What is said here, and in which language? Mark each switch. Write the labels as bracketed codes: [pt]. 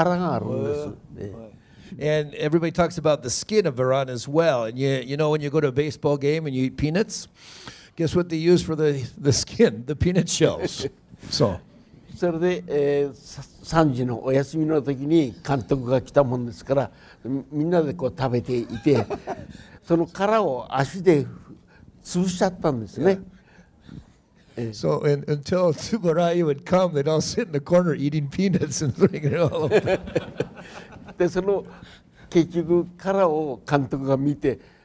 [ja] バランの今お話が出たんで、バランのこの皮膚の肌の形ですね。あれは皆さんがおやつで食べるピーナッツありますね。あれの殻があるんです。And [en] everybody talks about the skin of Varan as well. And you know when you go to a baseball game and you eat peanuts, guess what they use for the skin? The peanut shells. So. [ja] それで、3時のお休みの時に監督が来たもんですから、みんなでこう食べていて、その殻を足で潰しちゃったんですね。So [en] until Tsuburaya would come, they'd all sit in the corner eating peanuts and drinking it all over. [ja] で、その結局殻を監督が見て、